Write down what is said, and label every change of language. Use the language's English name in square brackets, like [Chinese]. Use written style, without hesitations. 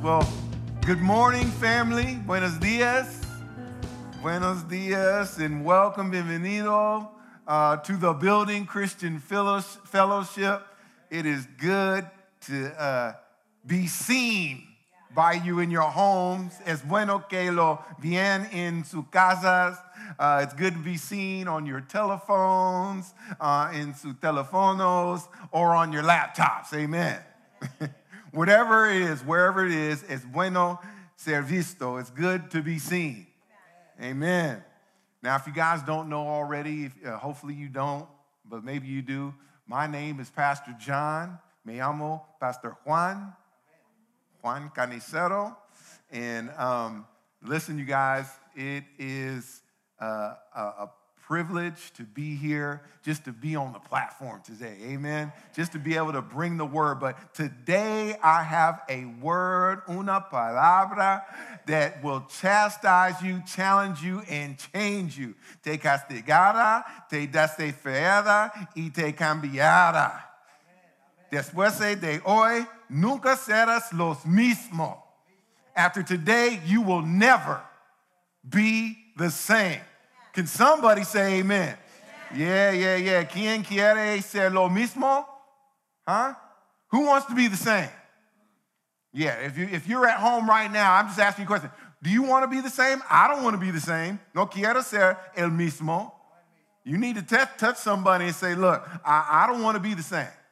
[English] Well, good morning, family. [Spanish] Buenos dias. Buenos dias [English] and welcome, [Spanish] bienvenido [English] to the Building Christian Fellowship. It is good to be seen by you in your homes. [Spanish] Es bueno que lo vean en sus casas. [English] It's good to be seen on your telephones, [Spanish] en sus teléfonos, [English] or on your laptops. Amen. Whatever it is, wherever it is, [Spanish] es bueno ser visto. [English] It's good to be seen. Amen. Now, if you guys don't know already, hopefully you don't, but maybe you do. My name is Pastor John. [Spanish] Me llamo Pastor Juan. [English] Juan Canicero. And listen, you guys, it is a privilege to be here, just to be on the platform today. Amen. Just to be able to bring the word. But today I have a word, [Spanish] una palabra, [English] that will chastise you, challenge you, and change you. [Spanish] Te castigará, te desafiará, y te cambiará. Después de hoy, nunca serás los mismo. [English] After today, you will never be the same. Can somebody say amen? Yeah, yeah, yeah. [Spanish] ¿Quién quiere ser lo mismo? [English] Huh? Who wants to be the same? Yeah, if you're at home right now, I'm just asking you a question. Do you want to be the same? I don't want to be the same. [Spanish] No quiero ser el mismo. [English] You need to touch somebody and say, look, I don't want to be the same.